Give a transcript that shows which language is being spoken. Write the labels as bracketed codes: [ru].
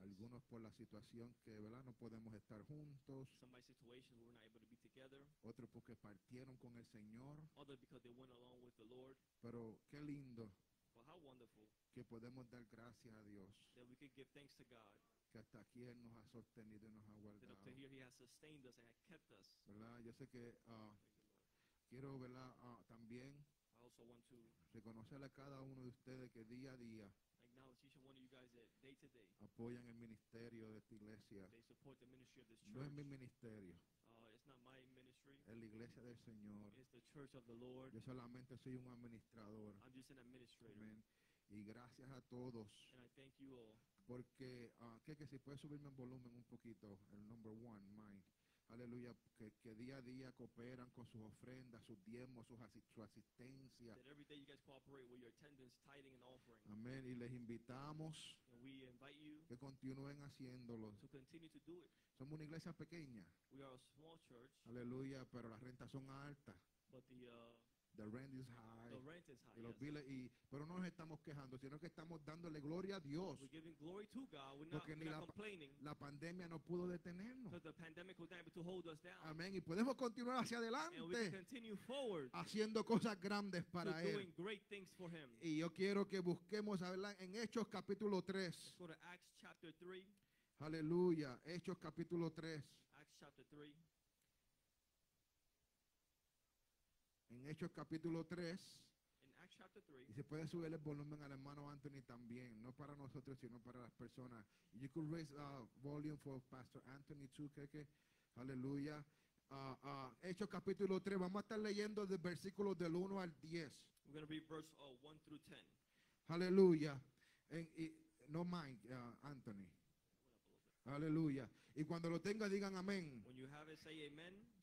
[es] Algunos por la situación que, ¿verdad?, no podemos estar juntos. [en] Some by situation we're not able to be together. [es] Otros porque partieron con el Señor. [en] Others because they went along with the Lord. [es] Pero qué lindo. [en] But how wonderful. [es] Que podemos dar gracias a Dios. [en] That we could give thanks to God. [es] Que hasta aquí Él nos ha sostenido y nos ha guardado. [en] That up to here He has sustained us and has kept us. [es] ¿Verdad? Yo sé que quiero, ¿verdad?, también [en] I also want to [es] reconocerle a cada uno de ustedes que día a día [en] acknowledge each one of you guys that day to day [es] apoyan el ministerio de esta iglesia. [en] They support the ministry of this church. [es] No es mi ministerio. [en] It's not my ministry. [es] Es la iglesia del Señor. [en] It's the church of the Lord. [es] Yo solamente soy un administrador. [en] I'm just an administrator. [es] Amen. Y gracias a todos. [en] And I thank you all. [es] Porque, que si puede subirme el volumen un poquito, el [en] number one, mine. [es] Aleluya, que día a día cooperan con sus ofrendas, sus diezmos, su asistencia. [en] That every day you guys cooperate with your attendance, tithing and offering. [es] Amén, y les invitamos [en] and we invite you [es] que continúen haciéndolo. [en] To continue to do it. [es] Somos una iglesia pequeña. [en] We are a small church. [es] Aleluya, pero las rentas son altas. [en] But the rent is high. The rent is high. [es] Y los biles, [en] yes. [es] Pero no nos estamos quejando, sino que estamos dándole gloria a Dios. [en] We're giving glory to God. We're not complaining. [es] La pandemia no pudo detenernos. [en] Because the pandemic was not able to hold us down. [es] Amén. Y podemos continuar hacia adelante. [en] And we can continue forward. [es] Haciendo cosas grandes para [en] to [es] él. [en] Doing great things for him. [es] Y yo quiero que busquemos, ¿verdad?, en Hechos capítulo 3. [en] Let's go to Acts chapter 3. [es] Aleluya. Hechos capítulo 3. [en] Acts chapter 3. [es] En Hechos capítulo 3, [en] in Acts chapter 3, [es] y se puede subir el volumen al hermano Anthony también, no para nosotros, sino para las personas. [en] You could raise the volume for Pastor Anthony too, Keke. [es] Aleluya. Hechos capítulo 3, vamos a estar leyendo de versículos del 1 al 10. [en] We're going to read verse 1 through 10. Aleluya. No mind, Anthony. Aleluya. [es] Y cuando lo tenga, digan amén. [en] When you have it, say amen.